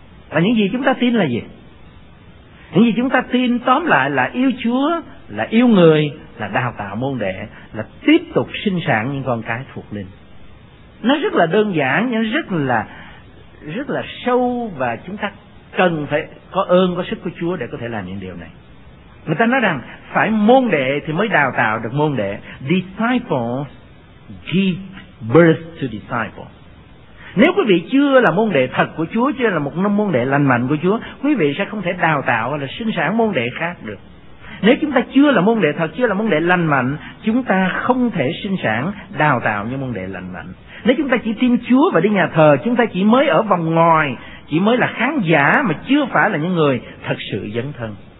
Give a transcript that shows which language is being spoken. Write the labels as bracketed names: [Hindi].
[Vietnamese] Và những gì chúng ta tin là gì? Những gì chúng ta tin tóm lại là yêu Chúa, là yêu người, là đào tạo môn đệ, là tiếp tục sinh sản những con cái thuộc linh. Nó rất là đơn giản, nhưng rất là sâu, và chúng ta cần phải có ơn, có sức của Chúa để có thể làm những điều này. Người ta nói rằng phải môn đệ thì mới đào tạo được môn đệ. [English] Disciples give birth to disciples. [Vietnamese] Nếu quý vị chưa là môn đệ thật của Chúa, chưa là một môn đệ lành mạnh của Chúa, quý vị sẽ không thể đào tạo hay là sinh sản môn đệ khác được. Nếu chúng ta chưa là môn đệ thật, chưa là môn đệ lành mạnh, chúng ta không thể sinh sản đào tạo những môn đệ lành mạnh. Nếu chúng ta chỉ tin Chúa và đi nhà thờ, chúng ta chỉ mới ở vòng ngoài, chỉ mới là khán giả mà chưa phải là những người thật sự dấn thân.